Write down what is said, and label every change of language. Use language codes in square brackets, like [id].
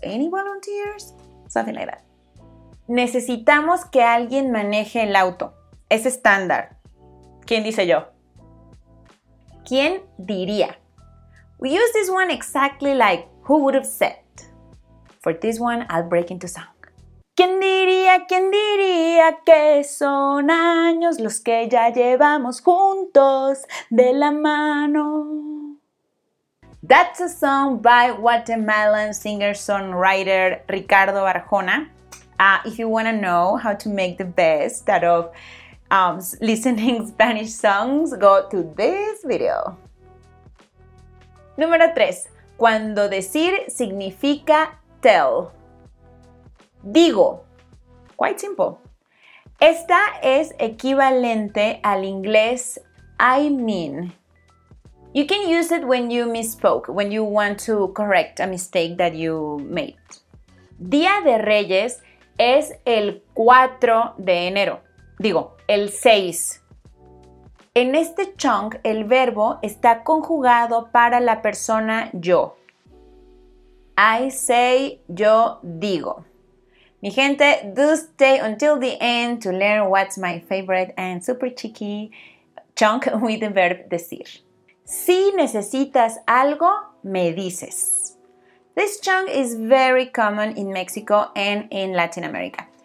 [en] Any volunteers? Something like that. [es] Necesitamos que alguien maneje el auto. Es estándar. ¿Quién dice yo? ¿Quién diría? [en] We use this one exactly like, who would have said? For this one, I'll break into song. [es] ¿Quién diría que son años los que ya llevamos juntos de la mano? [en] That's a song by Guatemalan singer-songwriter Ricardo Arjona. If you want to know how to make the best out of listening Spanish songs, go to this video. [es] Número 3. Cuando decir significa tell. Digo. [en] Quite simple. [es] Esta es equivalente al inglés I mean. [en] You can use it when you misspoke, when you want to correct a mistake that you made. [es] Día de Reyes es el 4 de enero. Digo, el 6. En este chunk, el verbo está conjugado para la persona yo. [en] I say, [es] yo digo. Mi gente, [en] do stay until the end to learn what's my favorite and super cheeky chunk with the verb decir. [es] Si necesitas algo, me dices. [en] This chunk is very common in Mexico and in Latin America.